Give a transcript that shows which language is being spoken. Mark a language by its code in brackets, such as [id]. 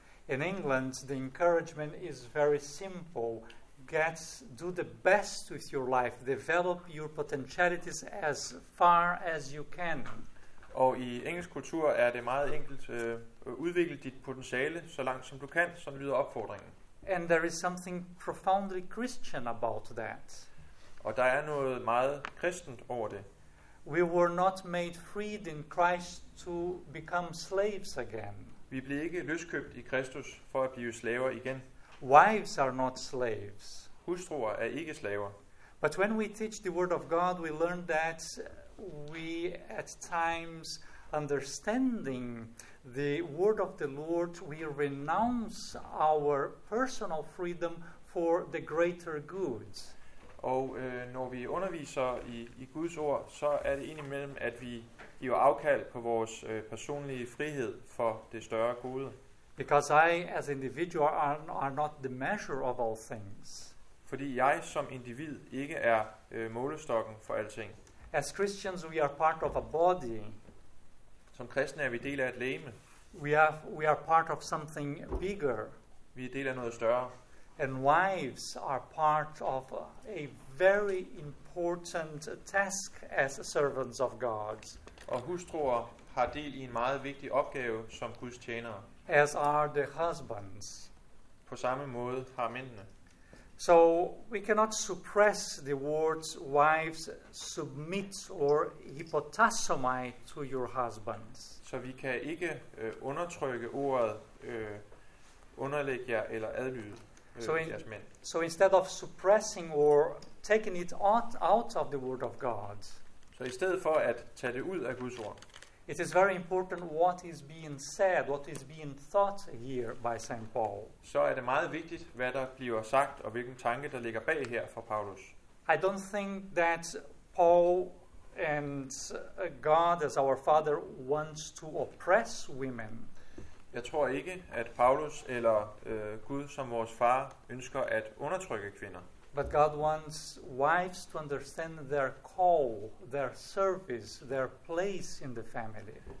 [en] In England, the encouragement is very simple. Do the best with your life. Develop your potentialities as far as you can. [da] Og i engelsk kultur er det meget enkelt. Udvikle dit potentiale så langt som du kan, som lyder opfordringen. [en] And there is something profoundly Christian about that. [da] Og der er noget meget kristent over det. [en] We were not made free in Christ to become slaves again. [da] Vi blev ikke løskøbt i Kristus for at blive slaver igen. [en] Wives are not slaves. [da] Hustruer er ikke slaver. [en] But when we teach the word of God, we learn that we at times understanding the word of the Lord, we renounce our personal freedom for the greater good. [da] Og når vi underviser i Guds ord, så er det indimellem, at vi giver afkald på vores personlige frihed for det større gode. [en] Because I as individual are not the measure of all things. [da] Fordi jeg som individ ikke er målestokken for alting. [en] As Christians we are part of a body. [da] Som kristne er vi del af et legeme. [en] We are part of something bigger. [da] Vi er del af noget større. [en] And wives are part of a very important task as servants of God. [da] Og hustruer har del i en meget vigtig opgave som Guds tjenere. [en] As are the husbands. [da] På samme måde har mændene. [en] So we cannot suppress the words wives submit or hypotassomai to your husbands. [da] Så vi kan ikke undertrykke ordet underlæg jer eller adlyde jeres mænd. [en] So instead of suppressing or taking it out of the word of God. [da] Så i stedet for at tage det ud af Guds ord. [en] It is very important what is being said, what is being thought here by St. Paul. [da] Så er det meget vigtigt, hvad der bliver sagt, og hvilken tanke, der ligger bag her fra Paulus. [en] I don't think that Paul and God as our father wants to oppress women. [da] Jeg tror ikke, at Paulus eller Gud som vores far ønsker at undertrykke kvinder. [en] But God wants wives to understand their call, their service, their place in the family.